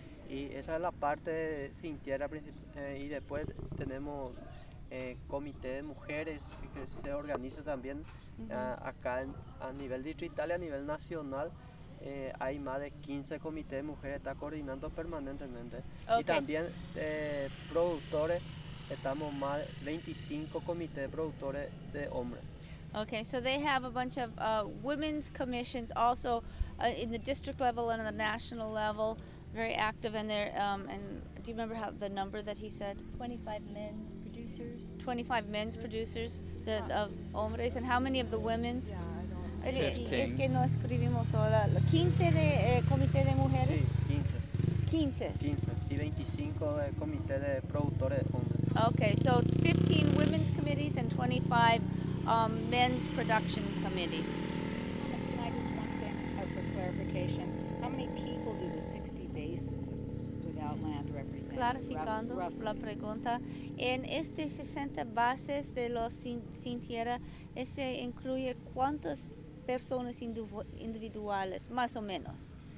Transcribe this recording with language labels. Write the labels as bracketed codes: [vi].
[es] Y esa es la parte sin tierra y después tenemos comité de mujeres que se organiza también acá a nivel distrital y a nivel nacional. Hay más de 15 comités de mujeres, está coordinando permanentemente. [en] Okay. [es] Y también productores, estamos más de 25 comités de productores de hombres. [en] Okay, so they have a bunch of women's commissions also in the district level and on the national level, very active in there. And do you remember how the number that he said? 25 men's. 25 men's producers of hombres, and how many of the women's? Yeah, I don't know. 15. [es] Es que no escribimos solo 15 de comité de mujeres. Sí, 15. 15. Y 25 de comité de productores de hombres. [en] Okay, so 15 women's committees and 25 men's production committees. Can I just one thing for clarification? How many people do the 60 bases without land represent? [es] Clarificando la pregunta. En estas 60 bases de los sin tierra, ¿se incluye cuántas personas individuales, más o menos?